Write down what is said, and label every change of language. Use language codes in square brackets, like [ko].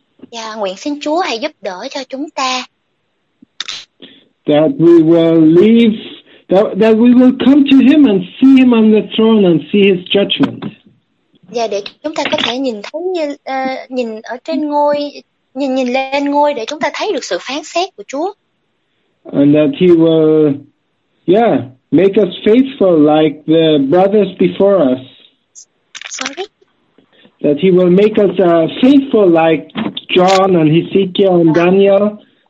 [vi] Yeah, nguyện xin Chúa hãy giúp đỡ cho chúng ta. [en] That we will come to Him and see Him on the throne and see His judgment. [vi] Yeah, để chúng ta có thể nhìn thấy nhìn ở trên ngôi, nhìn lên ngôi để chúng ta thấy được sự phán xét của Chúa. [en] And that He will, yeah, make us faithful like the brothers before us. Sorry. That He will make us faithful like John and Ezekiel and Daniel.